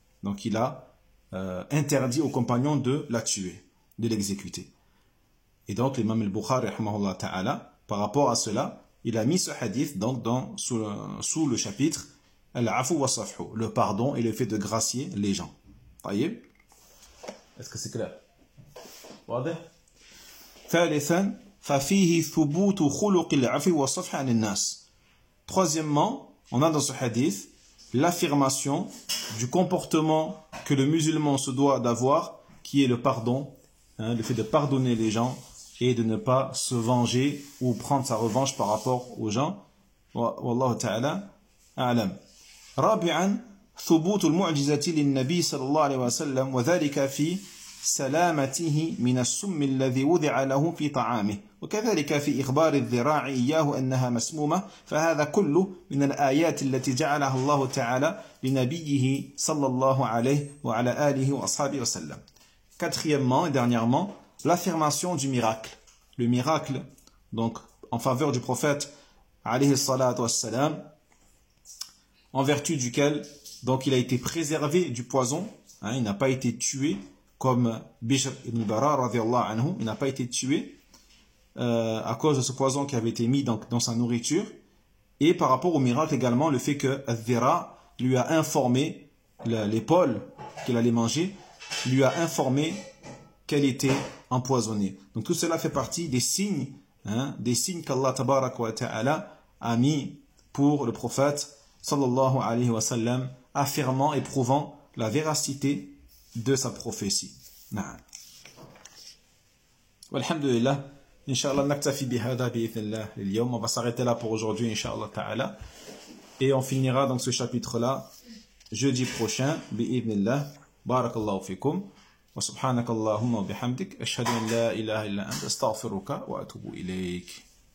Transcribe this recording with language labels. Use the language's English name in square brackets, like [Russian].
[French] Donc il a interdit aux compagnons de la tuer, de l'exécuter. Et donc l'imam al-Bukhari, rahmahullah ta'ala, par rapport à cela, il a mis ce hadith donc, sous le chapitre « Al-afu wa safhu », le pardon et le fait de gracier les gens. [Arabic] طيب [French] اسكو سكلا واضح [Arabic] ثالثا ففيه ثبوت خلق العفو والصفح عن الناس. [French] Troisièmement, on a dans ce hadith l'affirmation du comportement que le musulman se doit d'avoir, qui est le pardon, le fait de pardonner les gens et de ne pas se venger ou prendre sa revanche par rapport aux gens. [Arabic] والله تعالى اعلم. رابعا ثبوت المعجزة للنبي صلى الله عليه وسلم وذلك في سلامته من السم الذي وضع له في طعامه وكذلك في إخبار الذراع إياه أنها مسمومة فهذا كله من الآيات التي جعلها الله تعالى لنبيه صلى الله عليه وعلى آله وأصحابه وسلم. [French] Quatrièmement et dernièrement, l'affirmation du miracle. Le miracle, donc, en faveur du prophète, عليه الصلاة والسلام, en vertu duquel donc il a été préservé du poison, il n'a pas été tué comme Bishr ibn Bara radiallahu anhu, il n'a pas été tué à cause de ce poison qui avait été mis dans sa nourriture. Et par rapport au miracle également, le fait que Al-Dhira lui a informé l'épaule qu'il allait manger, lui a informé qu'elle était empoisonnée. Donc tout cela fait partie des signes qu'Allah tabarak wa ta'ala a mis pour le prophète sallallahu alayhi wa sallam, affirmant et prouvant la véracité de sa prophétie. Na'am. Walhamdulillah, [Arabic] إن شاء الله نكتفي بهذا بإذن الله اليوم. [French] On va s'arrêter là pour aujourd'hui, inshallah ta'ala. Et on finira donc ce chapitre-là jeudi prochain, بإذن الله. [Arabic] بارك الله فيكم. وسبحانك اللهم وبحمدك. أشهد أن لا إله إلا أنت. أستغفرك وأتوب إليك.